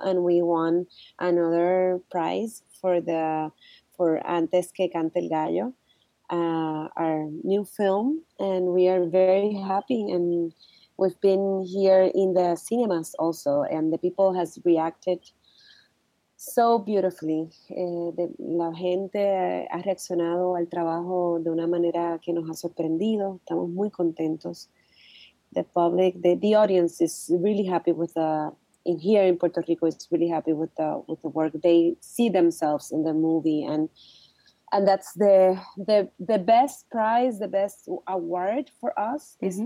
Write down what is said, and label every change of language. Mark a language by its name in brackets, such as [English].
[English] And we won another prize for Antes Que Cante el Gallo, our new film, and we are very happy, and we've been here in the cinemas also, and the people has reacted so beautifully. [Spanish] La gente ha reaccionado al trabajo de una manera que nos ha sorprendido. Estamos muy contentos. [English] The public, the audience is really happy with the in here in Puerto Rico, it's really happy with the work. They see themselves in the movie, and that's the best prize, the best award for us is mm-hmm.